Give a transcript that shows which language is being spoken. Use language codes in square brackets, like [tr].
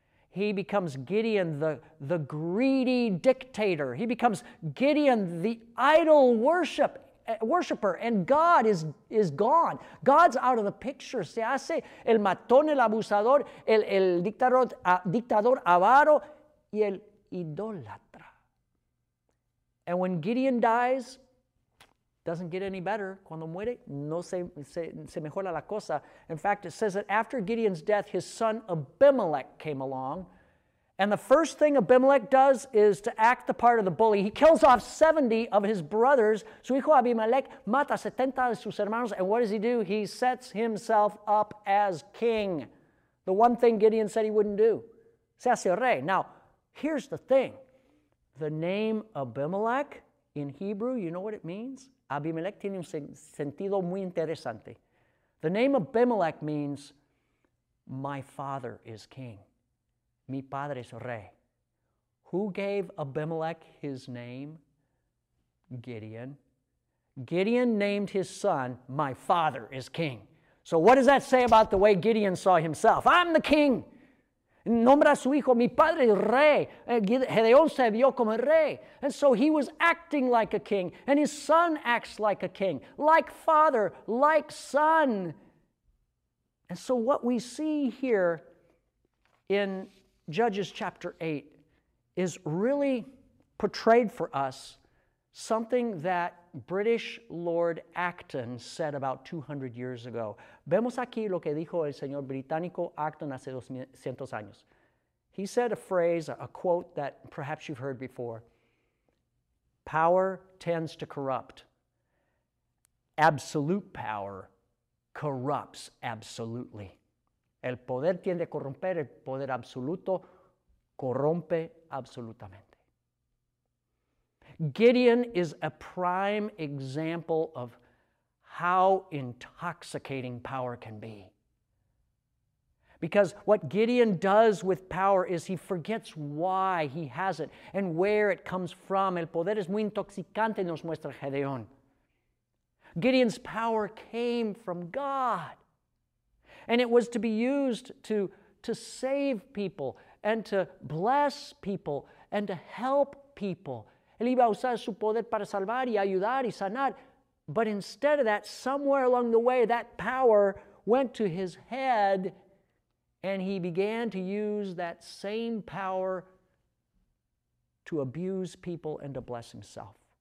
[en] He becomes Gideon, the greedy dictator. He becomes Gideon, the idol worshiper, and God is gone. God's out of the picture. [es] Se hace el matón, el abusador, el dictador avaro, y el idólatra. [en] And when Gideon dies, doesn't get any better. [es] Cuando muere, no se mejora la cosa. [en] In fact, it says that after Gideon's death, his son Abimelech came along. And the first thing Abimelech does is to act the part of the bully. He kills off 70 of his brothers. [es] Su hijo Abimelech mata 70 de sus hermanos. [en] And what does he do? He sets himself up as king. The one thing Gideon said he wouldn't do. [es] Se hace rey. [en] Now, here's the thing. The name Abimelech in Hebrew, you know what it means? [es] Abimelech tiene un sentido muy interesante. [en] The name Abimelech means, my father is king. [es] Mi padre es rey. [en] Who gave Abimelech his name? Gideon. Gideon named his son, my father is king. So what does that say about the way Gideon saw himself? I'm the king. [es] Nombra a su hijo, mi padre es rey. Gedeón se vio como rey. [en] And so he was acting like a king, and his son acts like a king, like father, like son. And so what we see here in Judges chapter 8 is really portrayed for us something that British Lord Acton said about 200 years ago. [es] Vemos aquí lo que dijo el señor británico Acton hace 200 años. [en] He said a phrase, a quote that perhaps you've heard before. Power tends to corrupt. Absolute power corrupts absolutely. [es] El poder tiende a corromper, el poder absoluto corrompe absolutamente. [en] Gideon is a prime example of how intoxicating power can be. Because what Gideon does with power is he forgets why he has it and where it comes from. [es] El poder es muy intoxicante, nos muestra Gedeón. [en] Gideon's power came from God. And it was to be used to save people and to bless people and to help people. [es] Él iba a usar su poder para salvar y ayudar y sanar. [en] But instead of that, somewhere along the way, that power went to his head and he began to use that same power to abuse people and to bless himself.